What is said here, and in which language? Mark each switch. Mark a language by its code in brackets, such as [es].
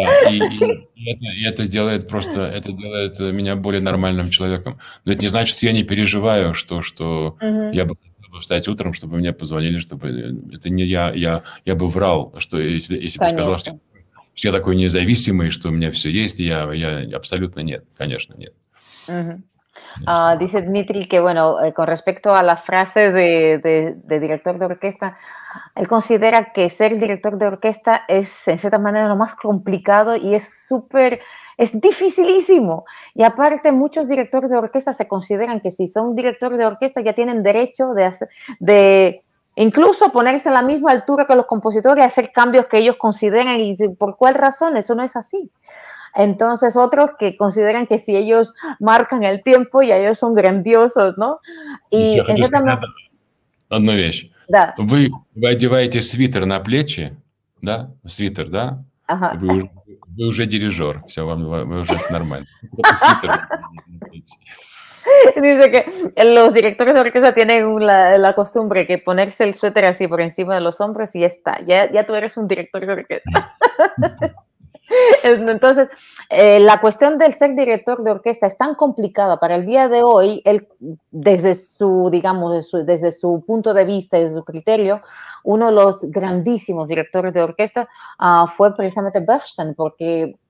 [ru] И это делает меня более нормальным человеком. Но это не значит, что я не переживаю, что я бы хотел встать утром, чтобы мне позвонили, чтобы... Это не я, я бы врал, что если бы сказал, что... Я такой независимый, что у меня все есть, и я абсолютно нет, конечно, нет. [es] Dice Dmitry, que bueno, con respecto a la frase de director de orquesta, él considera que ser director de orquesta es, en cierta manera, lo más complicado y es dificilísimo. Y aparte, muchos directores de orquesta se consideran que si son directores de orquesta ya tienen derecho de incluso ponerse a la misma altura que los compositores y hacer cambios que ellos consideran y por cuál razón, eso no es así. Entonces otros que consideran que si ellos marcan el tiempo ya ellos son grandiosos, ¿no? Y eso también... [ru] Одна вещь. Да. Вы одеваете свитер на плечи, да? Свитер, да? Ага. Вы уже дирижер, все, вы уже нормально. Свитер. [es] Dice que los directores de orquesta tienen la costumbre que ponerse el suéter así por encima de los hombros y ya está, ya tú eres un director de orquesta. Entonces, la cuestión del ser director de orquesta es tan complicada para el día de hoy, desde su punto de vista, desde su criterio, uno de los grandísimos directores de orquesta fue precisamente Bernstein, porque...